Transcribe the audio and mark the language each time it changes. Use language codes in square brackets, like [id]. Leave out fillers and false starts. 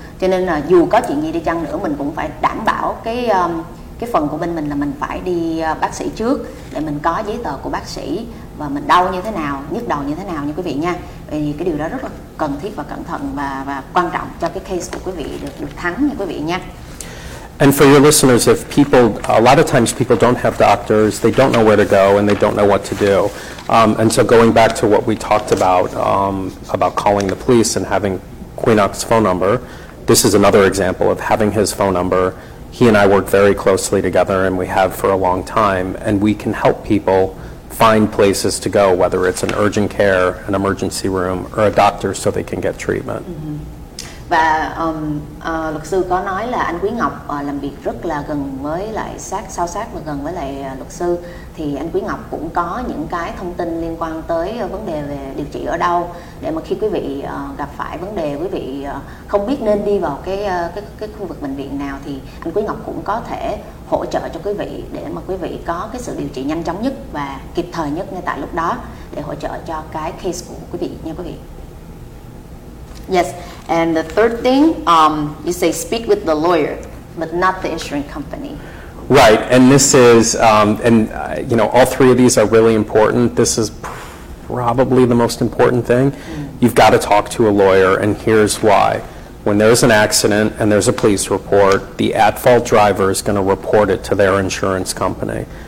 [vi] Cho nên là dù có chuyện gì đi chăng nữa, mình cũng phải đảm bảo cái phần của bên mình là mình phải đi bác sĩ trước để mình có giấy tờ của bác sĩ và mình đau như thế nào, nhức đầu như thế nào nha quý vị nha. Vì cái điều đó rất là cần thiết và cẩn thận và quan trọng cho cái case của quý vị được thắng nha quý vị nha. [en] And for your listeners, if people, a lot of times people don't have doctors, they don't know where to go, and they don't know what to do. And so going back to what we talked about calling the police and having Quinnock's phone number, this is another example of having his phone number. He and I work very closely together, and we have for a long time, and we can help people find places to go, whether it's an urgent care, an emergency room, or a doctor, so they can get treatment. Mm-hmm. [vi] Và luật sư có nói là anh Quý Ngọc làm việc rất là gần với lại sát và gần với lại luật sư, thì anh Quý Ngọc cũng có những cái thông tin liên quan tới vấn đề về điều trị ở đâu, để mà khi quý vị gặp phải vấn đề, quý vị không biết nên đi vào cái khu vực bệnh viện nào, thì anh Quý Ngọc cũng có thể hỗ trợ cho quý vị để mà quý vị có cái sự điều trị nhanh chóng nhất và kịp thời nhất ngay tại lúc đó, để hỗ trợ cho cái case của quý vị nha quý vị. [en] Yes, and the third thing, you say speak with the lawyer, but not the insurance company. Right, and this is, you know, all three of these are really important. This is probably the most important thing. Mm. You've got to talk to a lawyer, and here's why. When there's an accident and there's a police report, the at-fault driver is going to report it to their insurance company.